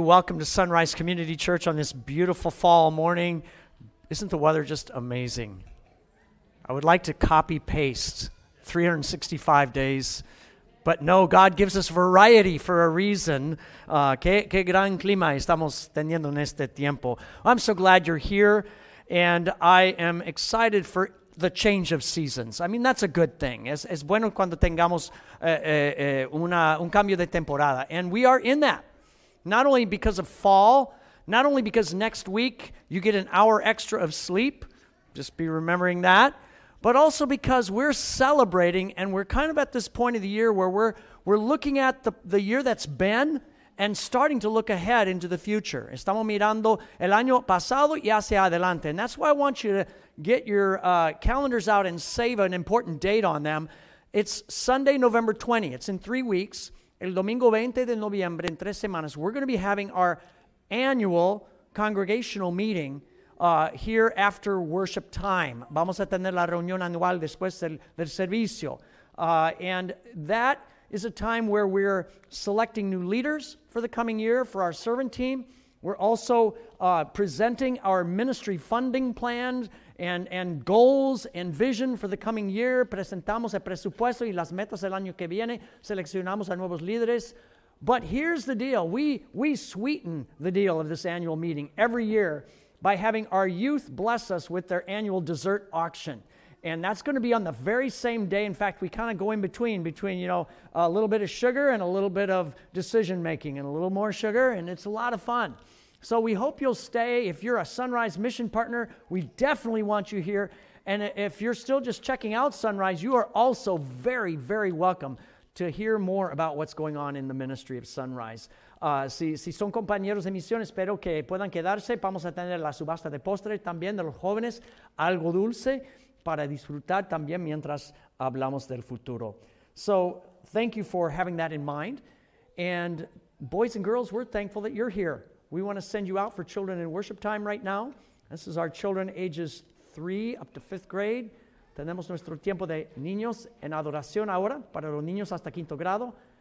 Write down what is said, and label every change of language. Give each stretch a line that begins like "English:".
English: Welcome to Sunrise Community Church on this beautiful fall morning. Isn't the weather just amazing? I would like to copy-paste 365 days, but no, God gives us variety for a reason.
Spanish: Qué gran clima estamos teniendo en este tiempo.
English: I'm so glad you're here, and I am excited for the change of seasons. I mean, that's a good thing.
Spanish: Es bueno cuando tengamos un cambio de temporada.
English: And we are in that. Not only because of fall, not only because next week you get an hour extra of sleep, just be remembering that, but also because we're celebrating and we're kind of at this point of the year where we're looking at the year that's been and starting to look ahead into the future.
Spanish: Estamos mirando el año pasado y hacia adelante.
English: And that's why I want you to get your calendars out and save an important date on them. It's Sunday, November 20. It's in 3 weeks.
Spanish: El domingo 20 de noviembre, en tres semanas,
English: we're going to be having our annual congregational meeting here after worship time.
Spanish: Vamos a tener la reunión anual después del servicio.
English: And that is a time where we're selecting new leaders for the coming year for our servant team. We're also presenting our ministry funding plans and goals and vision for the coming year.
Spanish: Presentamos el presupuesto y las metas del año que viene. Seleccionamos a nuevos líderes.
English: But here's the deal. We sweeten the deal of this annual meeting every year by having our youth bless us with their annual dessert auction. And that's going to be on the very same day. In fact, we kind of go in between, you know, a little bit of sugar and a little bit of decision making and a little more sugar. And it's a lot of fun. So we hope you'll stay. If you're a Sunrise Mission partner, we definitely want you here. And if you're still just checking out Sunrise, you are also very, very welcome to hear more about what's going on in the ministry of Sunrise.
Spanish: Si son compañeros de misión, espero que puedan quedarse. Vamos a tener la subasta de postre también de los jóvenes, algo dulce para disfrutar también mientras hablamos del futuro.
English: So thank you for having that in mind. And boys and girls, we're thankful that you're here. We want to send you out for children in worship time right now. This is our children ages 3 up to 5th grade.
Spanish: Tenemos nuestro tiempo de niños en adoración ahora, para los niños hasta quinto grado.